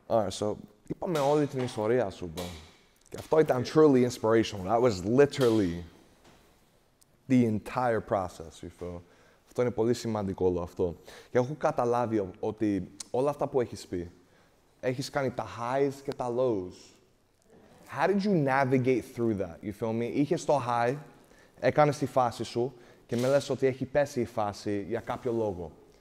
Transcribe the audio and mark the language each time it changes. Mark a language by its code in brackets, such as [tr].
[en] All right, so [el] είπαμε όλη την ιστορία σου, bro. Και αυτό ήταν [en] truly inspirational. That was literally the entire process, you feel. [el] Αυτό είναι πολύ σημαντικό όλο αυτό. Και έχω καταλάβει ότι όλα αυτά που έχεις πει, έχεις κάνει τα highs και τα lows. [en] How did you navigate through that, you feel me? [el] Είχες το high, έκανες τη φάση σου και με λες ότι έχει πέσει η φάση για κάποιο λόγο.